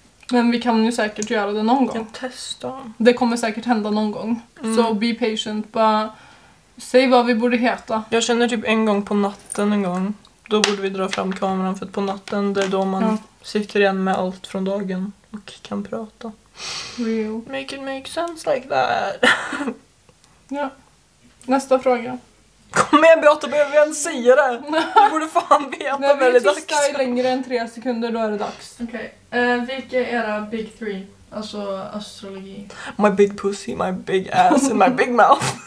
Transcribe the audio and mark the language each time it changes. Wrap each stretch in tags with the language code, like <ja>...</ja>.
<sv>Men vi kan ju säkert göra det någon gång. Jag testar. Det kommer säkert hända någon gång. Mm. Så</sv> <en>be patient.</en> <sv>Bara säg vad vi borde heta. Jag känner typ en gång på natten en gång. Då borde vi dra fram kameran. För att på natten det är då man sitter igen med allt från dagen. Och kan prata.</sv> <en>Real. Make it make sense like that.</en> <sv>Ja. Nästa fråga. Kom med Beata, behöver vi ens säga det? Du borde fan veta när vi är tysta i längre än 3 sekunder, då är det dags. Okej. Okay. Vilka är era big 3? Alltså astrologi.</sv> <en>My big pussy, my big ass and my big mouth.</en>